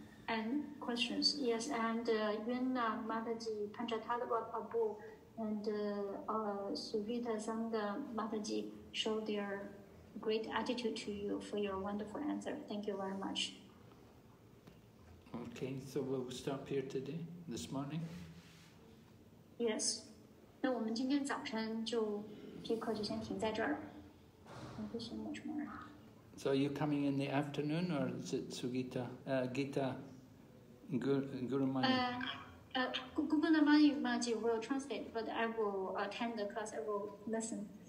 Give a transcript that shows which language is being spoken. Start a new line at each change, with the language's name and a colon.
English: And questions, yes, and Yuna, Mataji, Panchatattva Prabhu, and Suvita Sangha Mataji show their great attitude to you for your wonderful answer. Thank you very much. Okay, so we'll stop here today, this morning? Yes.
Chinese: 那我们今天早晨就这课就先停在这儿。
English: Thank you so much, Mara. So are you coming in the afternoon or is it Sugita, Gita, Guru Mani? Guru Mani Maji will translate, but I will attend the class, I will listen.